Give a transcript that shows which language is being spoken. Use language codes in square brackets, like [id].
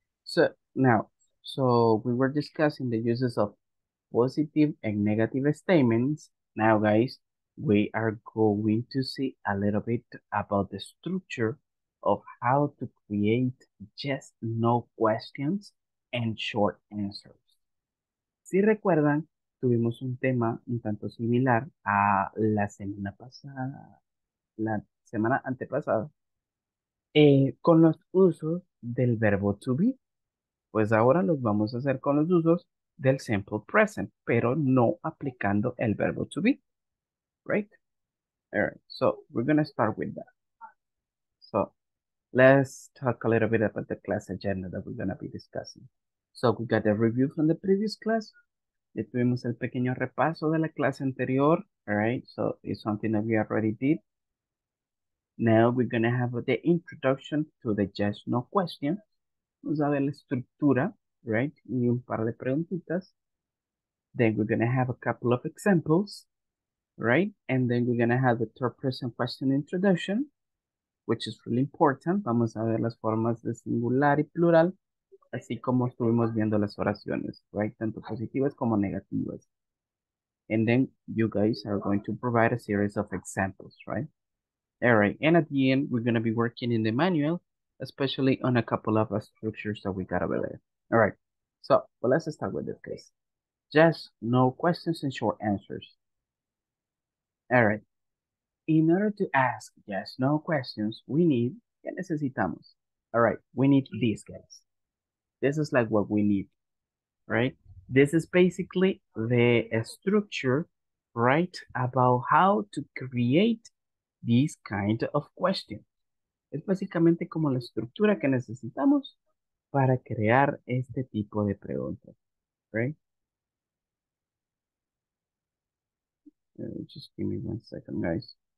[en] So now, so we were discussing the uses of positive and negative statements. Now, guys, we are going to see a little bit about the structure of how to create yes, no questions and short answers. [es] Si recuerdan, tuvimos un tema un tanto similar a la semana pasada, la semana antepasada, con los usos del verbo to be. Pues ahora los vamos a hacer con los usos del simple present, pero no aplicando el verbo to be. [en] Right? All right, so we're going to start with that. So let's talk a little bit about the class agenda that we're going to be discussing. So we got the review from the previous class. [es] Ya tuvimos el pequeño repaso de la clase anterior. [en] All right, so it's something that we already did. Now we're going to have the introduction to the yes, no question. [es] Vamos a ver la estructura, right? Y un par de preguntitas. [en] Then we're going to have a couple of examples, right? And then we're going to have the third person question introduction, which is really important. [es] Vamos a ver las formas de singular y plural, así como estuvimos viendo las oraciones, right? Tanto positivas como negativas. [en] And then you guys are going to provide a series of examples, right? All right, and at the end, we're going to be working in the manual, especially on a couple of structures that we got over there. All right, so well, let's start with this case. Just no questions and short answers. All right, in order to ask yes, no questions, we need, [es] ¿qué necesitamos? [en] All right, we need these guys. This is like what we need, right? This is basically the structure, right, about how to create these kind of questions. [es] Es básicamente como la estructura que necesitamos para crear este tipo de preguntas, right? [en] Just give me one second, guys.